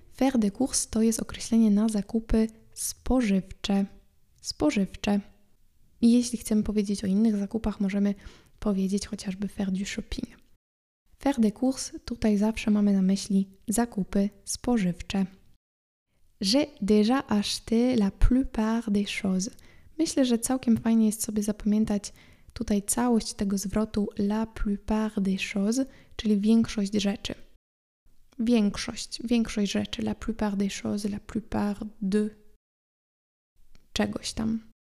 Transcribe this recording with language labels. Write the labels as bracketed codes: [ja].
[fr] Faire des courses [pl] to jest określenie na zakupy spożywcze. Spożywcze. I jeśli chcemy powiedzieć o innych zakupach, możemy powiedzieć chociażby [fr] faire du shopping. Faire des courses, [pl] tutaj zawsze mamy na myśli zakupy spożywcze. [fr] J'ai déjà acheté la plupart des choses. [pl] Myślę, że całkiem fajnie jest sobie zapamiętać tutaj całość tego zwrotu [fr] la plupart des choses, [pl] czyli większość rzeczy. Większość rzeczy, [fr] la plupart des choses, la plupart de [pl] czegoś tam.